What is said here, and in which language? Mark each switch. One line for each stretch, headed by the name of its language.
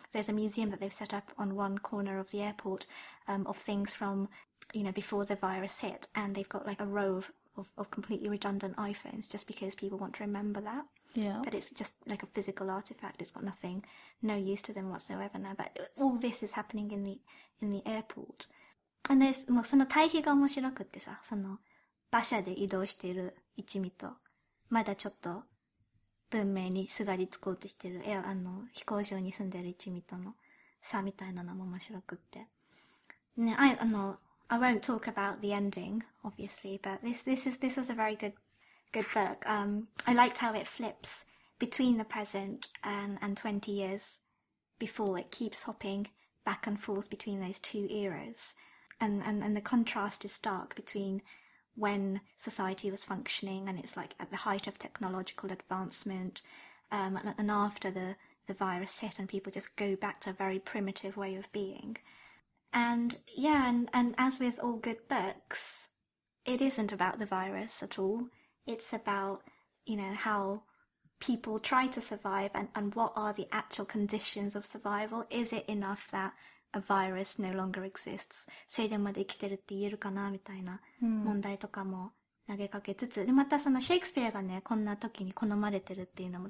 English: There's a museum that they've set up on one corner of the airport, of things from, you know, before the virus hit. And they've got like a row of of completely redundant iPhones just because people want to remember that. Yeah. But it's just like a physical artifact. It's got nothing, no use to them whatsoever now. But all this is happening in the airport. And there's,
Japanese: もうその対比が面白くってさ、その馬車で移動している一味と、まだちょっと文明にすがりつこうとしている、あの、飛行場に住んでいる一味との差みたいなのも面白くって。
English: ね、I won't talk about the ending, obviously, but this was a very good book. I liked how it flips between the present and 20 years before. It keeps hopping back and forth between those two eras. And the contrast is stark between when society was functioning and it's like at the height of technological advancement, and after the virus hit and people just go back to a very primitive way of being. And yeah, and as with all good books, it isn't about the virus at all. It's about, you know, how people try to survive and what are the actual conditions of survival. Is it enough that a virus no longer exists?
Japanese: それでまで生きてるって言えるかなみたいな問題とかも投げかけつつ。で、またそのシェイクスピアがね、こんな時に好まれてるっていうのも。